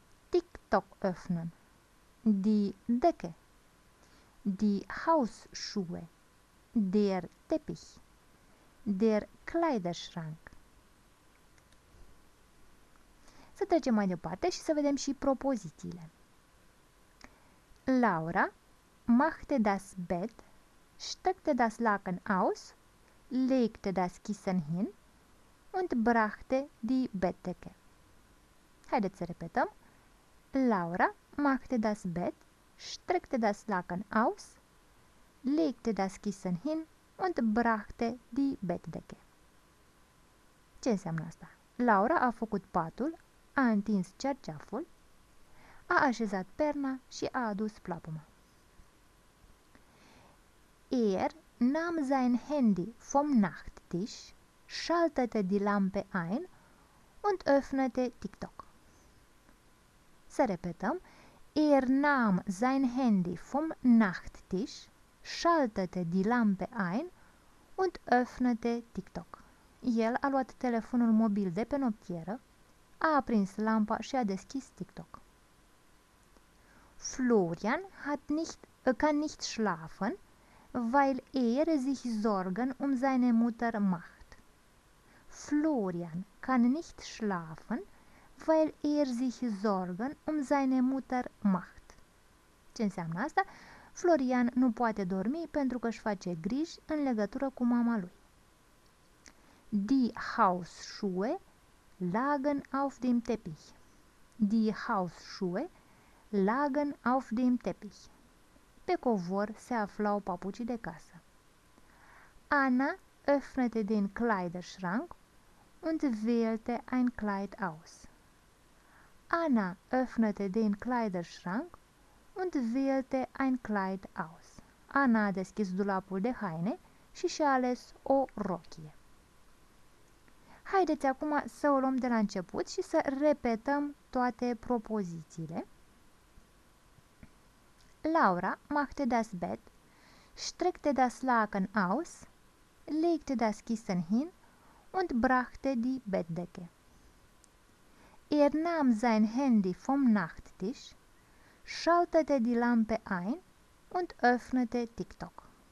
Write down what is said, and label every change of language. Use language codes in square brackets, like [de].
[de] TikTok öffnen. Die Decke. Die Hausschuhe. Der Teppich. Der Kleiderschrank. [ro] Să trecem mai departe și să vedem și propozițiile. [de] Laura machte das Bett, steckte das Laken aus, legte das Kissen hin und brachte die Bettdecke. [ro] Haideți să repetăm. [de] Laura machte das Bett, streckte das Laken aus, legte das Kissen hin und brachte die Bettdecke. [ro] Ce înseamnă asta? Laura a făcut patul, a întins cerceaful, a așezat perna și a adus plapuma. [de] Er nahm sein Handy vom Nachttisch, schaltete die Lampe ein und öffnete TikTok. [ro] Să repetăm. [de] Er nahm sein Handy vom Nachttisch, schaltete die Lampe ein und öffnete TikTok. [ro] El a luat telefonul mobil de pe noptieră, a aprins lampa și a deschis TikTok. [de] Florian kann nicht schlafen, weil er sich Sorgen um seine Mutter macht. Florian kann nicht schlafen, weil er sich Sorgen um seine Mutter macht. [ro] Ce înseamnă asta? Florian nu poate dormi pentru că își face griji în legătură cu mama lui. [de] Die Hausschuhe lagen auf dem Teppich. Die Hausschuhe lagen auf dem Teppich. [ro] Pe covor se aflau papucii de casă. [de] Anna öffnete den Kleiderschrank und wählte ein Kleid aus. Anna öffnete den Kleiderschrank und wählte ein Kleid aus. [ro] Anna a deschis dulapul de haine și și-a ales o rochie. Haideți acum să o luăm de la început și să repetăm toate propozițiile. [de] Laura machte das Bett, streckte das Laken aus, legte das Kissen hin und brachte die Bettdecke. Er nahm sein Handy vom Nachttisch, schaltete die Lampe ein und öffnete TikTok.